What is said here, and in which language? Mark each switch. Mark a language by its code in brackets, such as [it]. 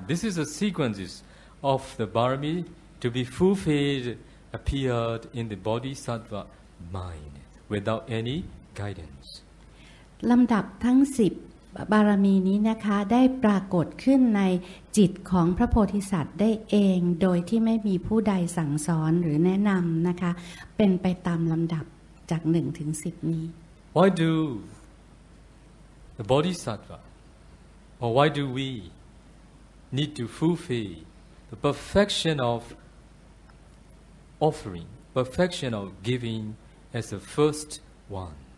[en] This is the sequences of the Barami to be fulfilled, appeared in the Bodhisattva mind without any guidance. [th] ลำดับทั้ง10บารมีนี้นะคะได้ปรากฏขึ้นในจิตของพระโพธิสัตว์ได้เองโดยที่ไม่มีผู้ใดสั่งสอนหรือแนะนำนะคะเป็นไปตามลำดับจาก1ถึง10นี้ [en] Why do the Bodhisattva or why do we need to fulfill the perfection of offering perfection of giving as the first one